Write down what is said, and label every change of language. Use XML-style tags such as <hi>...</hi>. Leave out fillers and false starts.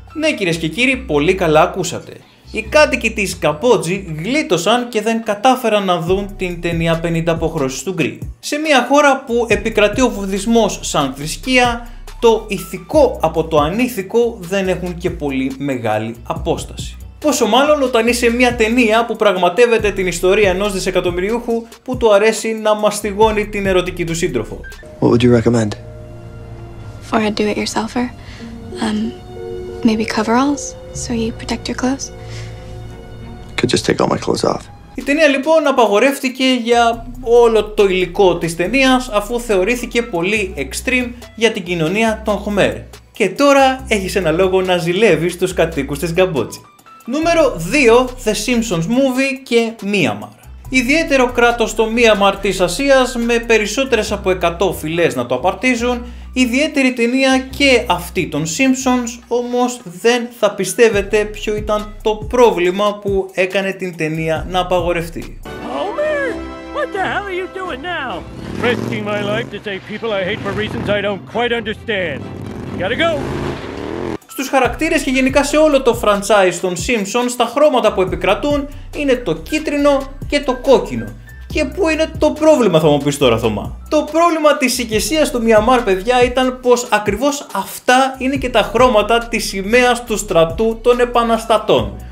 <el>Ναι, κυρίες και κύριοι, πολύ καλά ακούσατε. Οι κάτοικοι της Καμπότζη γλίτωσαν και δεν κατάφεραν να δουν την ταινία 50 αποχρώσεις του Γκρι. Σε μια χώρα που επικρατεί ο βουδισμός σαν θρησκεία, το ηθικό από το ανήθικο δεν έχουν και πολύ μεγάλη απόσταση. Πόσο μάλλον όταν είσαι μια ταινία που πραγματεύεται την ιστορία ενός δισεκατομμυριούχου που του αρέσει να μαστιγώνει την ερωτική του σύντροφο.</el> <en>What would you recommend? For a do-it-yourselfer, maybe coveralls, so you protect your clothes. Could just take all my clothes off.</en> <el>Η ταινία λοιπόν απαγορεύτηκε για όλο το υλικό της ταινίας αφού θεωρήθηκε πολύ extreme για την κοινωνία των Χομέρ. Και τώρα έχεις ένα λόγο να ζηλεύεις τους κατοίκους της Καμπότζη. Νούμερο 2, The Simpsons Movie και Μίαμαρ. Ιδιαίτερο κράτος το Μίαμαρ της Ασίας με περισσότερες από 100 φυλές να το απαρτίζουν, ιδιαίτερη ταινία και αυτή των Simpsons, όμως δεν θα πιστεύετε ποιο ήταν το πρόβλημα που έκανε την ταινία να απαγορευτεί.</el> <en>Homer, what the hell are you doing now? Risking my life to save people I hate for reasons I don't quite understand. Gotta go!</en> <el>Στους χαρακτήρες και γενικά σε όλο το franchise των Simpsons, τα χρώματα που επικρατούν είναι το κίτρινο και το κόκκινο. Και πού είναι το πρόβλημα, θα μου πεις τώρα, Θωμά. Το πρόβλημα της ηγεσίας του Μιαμάρ, παιδιά, ήταν πως ακριβώς αυτά είναι και τα χρώματα της σημαίας του στρατού των επαναστατών.</el>